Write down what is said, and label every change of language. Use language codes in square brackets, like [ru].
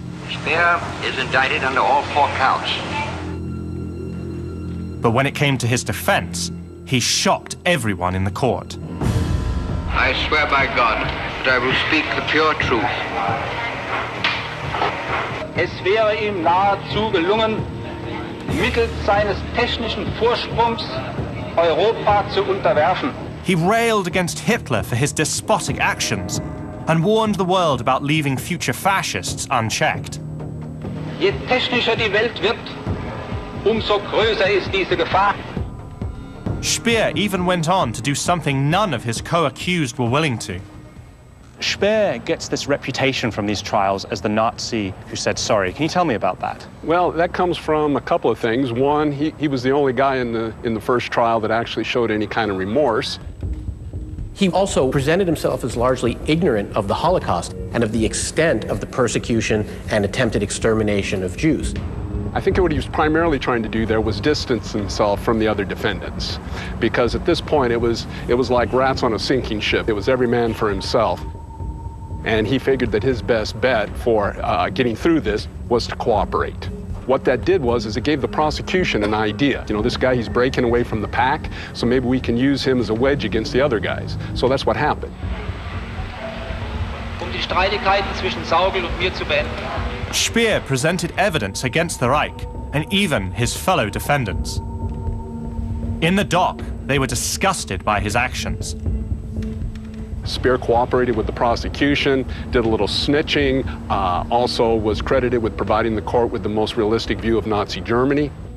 [en] Speer is indicted under all four counts. But when it came to his defense, he shocked everyone in the court. I swear by God that I will speak the pure truth. [de] Es wäre ihm nahezu gelungen, mittels seines technischen Vorsprungs Europa zu unterwerfen. [en] He railed against Hitler for his despotic actions and warned the world about leaving future fascists unchecked. [de] Je technischer die Welt wird, umso größer ist diese Gefahr. [en] Speer even went on to do something none of his co-accused were willing to. Speer gets this reputation from these trials as the Nazi who said sorry. Can you tell me about that? Well, that comes from a couple of things. One, he was the only guy in the first trial that actually showed any kind of remorse. He also presented himself as largely ignorant of the Holocaust and of the extent of the persecution and attempted extermination of Jews. I think what he was primarily trying to do there was distance himself from the other defendants, because at this point it was like rats on a sinking ship. It was every man for himself. And he figured that his best bet for getting through this was to cooperate. What that did was, is it gave the prosecution an idea. You know, this guy, he's breaking away from the pack, so maybe we can use him as a wedge against the other guys. So that's what happened. [de] Die Streitigkeiten zwischen Saugel und mir zu beenden. [en] Speer presented evidence against the Reich and even his fellow defendants. In the dock, they were disgusted by his actions. Speer cooperated with the prosecution, did a little snitching, also was credited with providing the court with the most realistic view of Nazi Germany.